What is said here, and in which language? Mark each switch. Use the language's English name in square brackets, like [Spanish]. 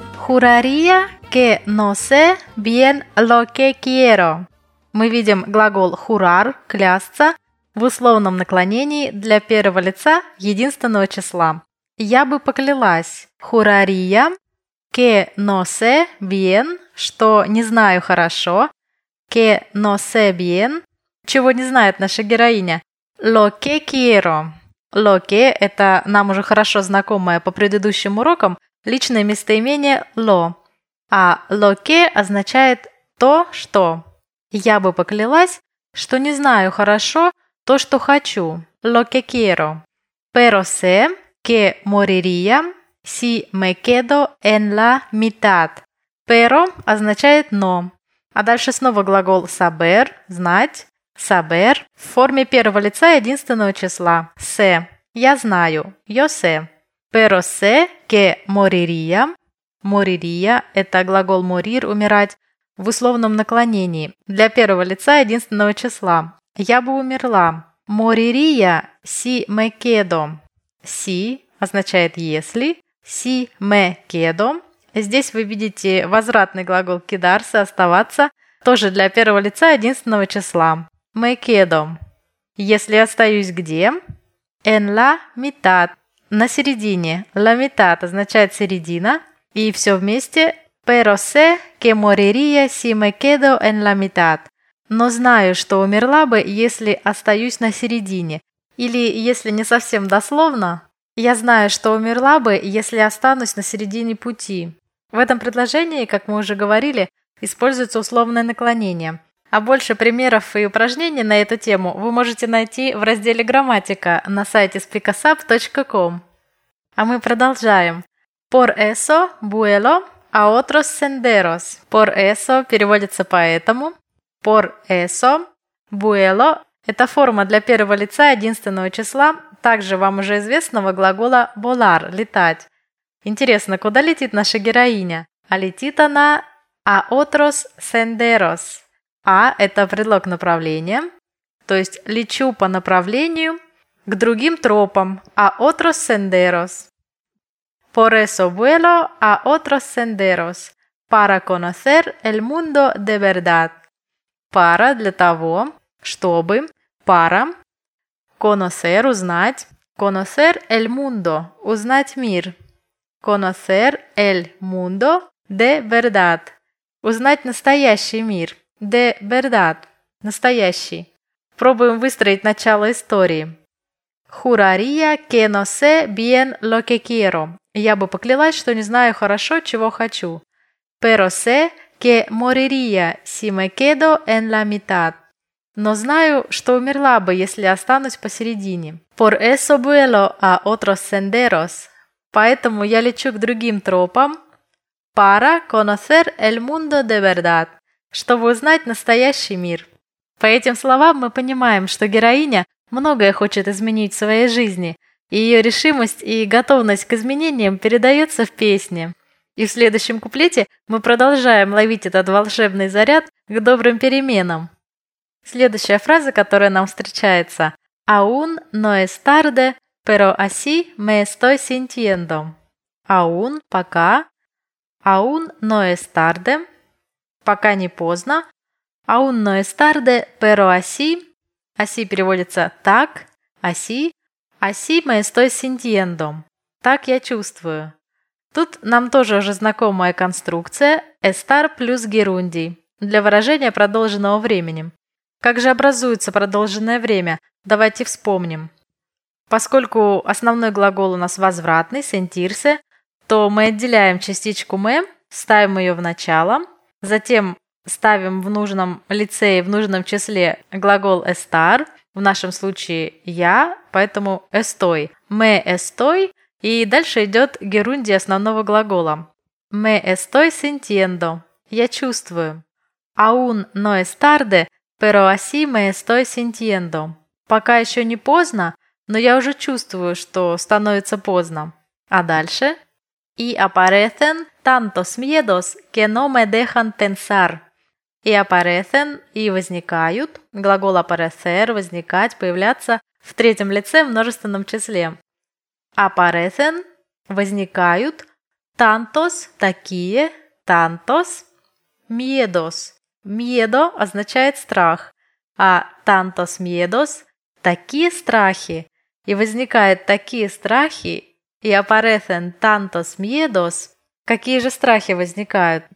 [Spanish] Juraría que no sé bien lo que quiero. [Russian] Мы видим глагол jurar, клясться, в условном наклонении для первого лица единственного числа. Я бы поклялась. [Spanish] Juraría que no sé bien, [Russian] что не знаю хорошо. [Spanish] Que no sé bien, [Russian] чего не знает наша героиня. [Spanish] Lo que quiero. [Russian] Lo que – это нам уже хорошо знакомое по предыдущим урокам, личное местоимение «lo». А «lo que» означает «то, что». «Я бы поклялась» что не знаю хорошо то, что хочу. [Spanish] Lo que quiero. Pero sé que moriría si me quedo en la mitad. [Russian] Pero означает «но». А дальше снова глагол saber, знать. Saber в форме первого лица единственного числа. [Spanish] Sé. [Russian] Я знаю. [Spanish] Yo sé. Pero sé que moriría. [Russian] Moriría – это глагол morir, умирать, в условном наклонении. Для первого лица единственного числа. Я бы умерла. [Spanish] Moriría si me quedo. [Russian] Si означает «если». [Spanish] Si me quedo. [Russian] Здесь вы видите возвратный глагол quedarse – оставаться. Тоже для первого лица единственного числа. [Spanish] Me quedo. [Russian] Если остаюсь где? [Spanish] En la mitad. [Russian] На середине. La mitad означает «середина». И все вместе. [Spanish] Pero sé que moriría si me quedo en la mitad. [Russian] Но знаю, что умерла бы, если остаюсь на середине. Или, если не совсем дословно, я знаю, что умерла бы, если останусь на середине пути. В этом предложении, как мы уже говорили, используется условное наклонение. А больше примеров и упражнений на эту тему вы можете найти в разделе «Грамматика» на сайте speakasap.com. А мы продолжаем. [Spanish] Por eso vuelo a otros senderos. [Russian] Por eso переводится «поэтому». [Spanish] Por eso vuelo [Russian] – это форма для первого лица единственного числа также вам уже известного глагола volar – «летать». Интересно, куда летит наша героиня? А летит она [Spanish] a otros senderos. [Russian] A – это предлог направления, то есть «лечу по направлению к другим тропам». [Spanish] A otros senderos. Por eso vuelo a otros senderos. Para conocer el mundo de verdad. [Russian] Para – для того, чтобы. Para – conocer – узнать. [Spanish] Conocer el mundo [Russian] – узнать мир. [Spanish] Conocer el mundo de verdad. [Russian] Узнать настоящий мир. De verdad – настоящий. Пробуем выстроить начало истории. [Spanish] Juraría que no sé bien lo que quiero. [Russian] Я бы поклялась, что не знаю хорошо, чего хочу. [Spanish] Pero sé que moriría si me quedo en la mitad. [Russian] Но знаю, что умерла бы, если останусь посередине. [Spanish] Por eso vuelo a otros senderos. [Russian] Поэтому я лечу к другим тропам. [Spanish] Para conocer el mundo de verdad. [Russian] Чтобы узнать настоящий мир. По этим словам мы понимаем, что героиня многое хочет изменить в своей жизни, и ее решимость и готовность к изменениям передается в песне. И в следующем куплете мы продолжаем ловить этот волшебный заряд к добрым переменам. Следующая фраза, которая нам встречается: [Spanish] «Aún no es tarde, pero así me estoy sintiendo». [Russian] «Aún» – пока. [Spanish] «Aún no es tarde» – [Russian] пока не поздно. [Spanish] «Aún no es tarde, pero así» – «así» переводится «так», «así», «así me estoy sintiendo» – [Russian] «так я чувствую». Тут нам тоже уже знакомая конструкция «estar» плюс «gerundi» для выражения продолженного времени. Как же образуется продолженное время? Давайте вспомним. Поскольку основной глагол у нас возвратный «sentirse», то мы отделяем частичку «me», ставим ее в начало, затем ставим в нужном лице и в нужном числе глагол «estar», в нашем случае «я», поэтому «estoy». «Me estoy» и дальше идет герунди основного глагола. [Spanish] «Me estoy sintiendo» – [Russian] «я чувствую». [Spanish] «Aún no es tarde, pero así me estoy sintiendo» [Russian] – «пока еще не поздно, но я уже чувствую, что становится поздно». А дальше? [Spanish] «Y aparecen tantos miedos que no me dejan pensar». «Y aparecen» [Russian] – «и возникают» – глагол «aparecer» – «возникать», «появляться» в третьем лице в множественном числе. «Aparecen» – «возникают», «tantos» – «такие», «tantos» – «miedos». «Miedo» означает «страх», а «tantos miedos» – «такие страхи». «И возникают такие страхи» – [Spanish] «y aparecen tantos miedos» [Russian] – «какие же страхи возникают?»